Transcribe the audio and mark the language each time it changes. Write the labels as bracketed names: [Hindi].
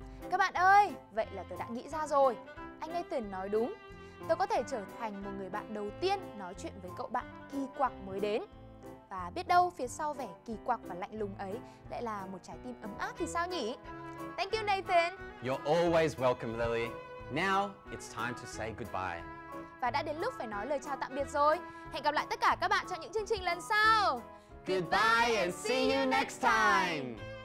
[Vietnamese] Các bạn ơi, vậy là tôi đã nghĩ ra rồi. Anh Nathan nói đúng, tôi có thể trở thành một người bạn đầu tiên nói chuyện với cậu bạn kỳ quặc mới đến. Và biết đâu phía sau vẻ kỳ quặc và lạnh lùng ấy lại là một trái tim ấm áp thì sao nhỉ? [English] Thank you Nathan! You're always welcome Lily. Now it's time to say goodbye. [Vietnamese] Và đã đến lúc phải nói lời chào tạm biệt rồi. Hẹn gặp lại tất cả các bạn trong những chương trình lần sau. [English] Goodbye and see you next time!